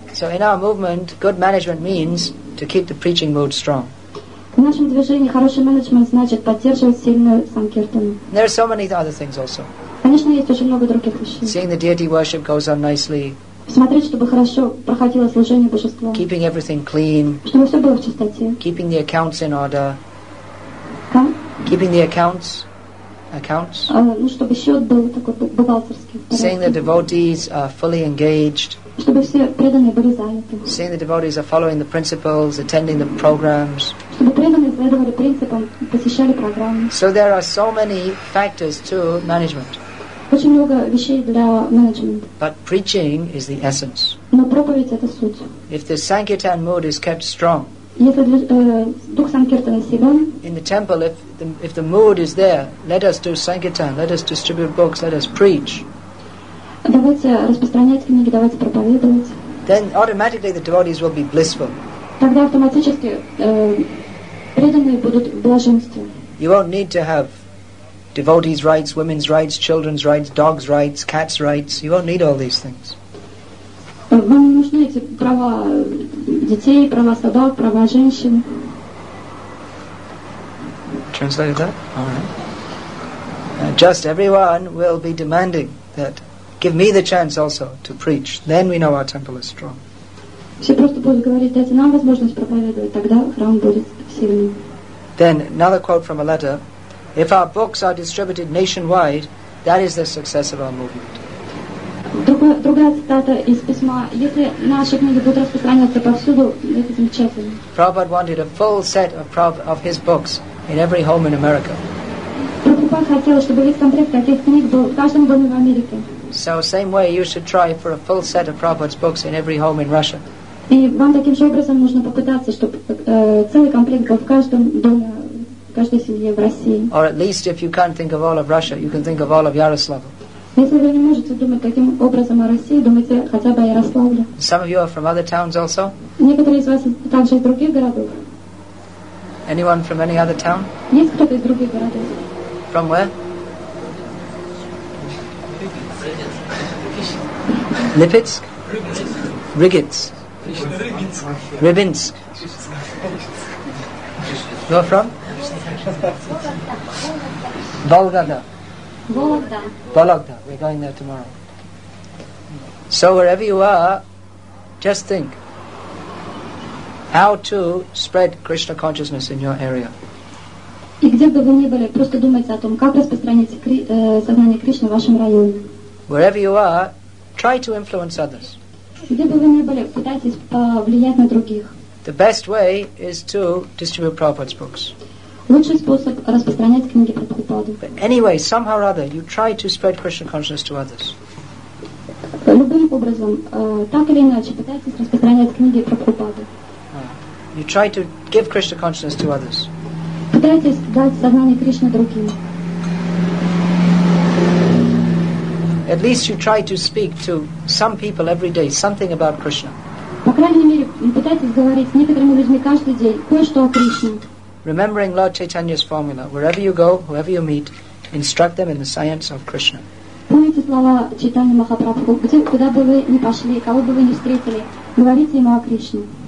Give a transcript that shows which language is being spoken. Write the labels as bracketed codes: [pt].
[en] So in our movement, good management means to keep the preaching mood strong. [ru] В нашем движении хороший менеджмент значит поддерживать сильную санкиртану. [en] There are so many other things also. [ru] Конечно, есть очень много других вещей. [en] Seeing the deity worship goes on nicely. [ru] Смотреть, чтобы хорошо проходило служение божеству. [en] Keeping everything clean. [ru] Чтобы все было в чистоте. [en] Keeping the accounts in order. [ru] Как? [en] Keeping the accounts. [ru] Ну, чтобы счет был такой бухгалтерский. [en] Seeing the devotees are fully engaged. [ru] Чтобы все преданные были заняты. [en] Seeing the devotees are following the principles, attending the programs. [ru] Чтобы преданные следовали принципам, посещали программы. [en] So there are so many factors to management. [ru] Очень много вещей для менеджмента. [en] But preaching is the essence. [ru] Но проповедь это суть. [en] If the sankirtan mood is kept strong. [ru] Если дух санкиртана силен. [en] In the temple, if the mood is there, let us do sankirtan, let us distribute books, let us preach. [ru] Давайте распространять книги, давайте проповедовать. [en] Then automatically the devotees will be blissful. [ru] Тогда автоматически преданные будут в блаженстве. [en] You won't need to have devotees' rights, women's rights, children's rights, dogs' rights, cats' rights. You won't need all these things. [ru] Вам не нужны эти права детей, права собак, права женщин. [en] Translated that? All right. Just everyone will be demanding that give me the chance also to preach. Then we know our temple is strong. [ru] Все просто будут говорить, дайте нам возможность проповедовать, тогда храм будет сильным. [en] Then another quote from a letter. If our books are distributed nationwide, that is the success of our movement. [ru] Другая цитата из письма. Если наши книги будут распространяться повсюду, это замечательно. [en] Prabhupada wanted a full set of his books in every home in America. [ru] Прабхупада хотел, чтобы весь комплект таких книг был в каждом доме в Америке. [en] So same way you should try for a full set of Prabhupada's books in every home in Russia. [ru] И вам таким же образом нужно попытаться, чтобы целый комплект был в каждом доме. [en] Or at least if you can't think of all of Russia, you can think of all of Yaroslavl. [ru] Если вы не можете думать таким образом о России, думайте хотя бы о Ярославле. [en] Some of you are from other towns also? [ru] Некоторые из вас также из других городов. [en] Anyone from any other town? [ru] Есть кто-то из других городов. [en] From where? Lipetsk? Rybinsk. Rybinsk. Where from? Volgada. Vologda. We're going there tomorrow. So wherever you are, just think. how to spread Krishna consciousness in your area. [ru] И где бы вы ни были, просто думайте о том, как распространить сознание Кришны в вашем районе. [en] Wherever you are, try to influence others. [ru] Где бы вы ни были, пытайтесь повлиять на других. [en] The best way is to distribute Prabhupada's books. [ru] Лучший способ распространять книги Прабхупады. [en] But anyway, somehow or other, you try to spread Krishna consciousness to others. [ru] Любым образом, так или иначе, пытайтесь распространять книги Прабхупады. [en] You try to give Krishna consciousness to others. [ru] Пытайтесь дать сознание Кришны другим. [en] At least you try to speak to some people every day something about Krishna. [ru] По крайней мере, пытайтесь говорить с некоторыми людьми каждый день кое-что о Кришне. [en] Remembering Lord Chaitanya's formula, wherever you go, whoever you meet, instruct them in the science of Krishna. [ru] Помните слова Чайтаньи Махапрабху, где куда бы вы ни пошли, кого бы вы ни встретили, говорите ему о Кришне.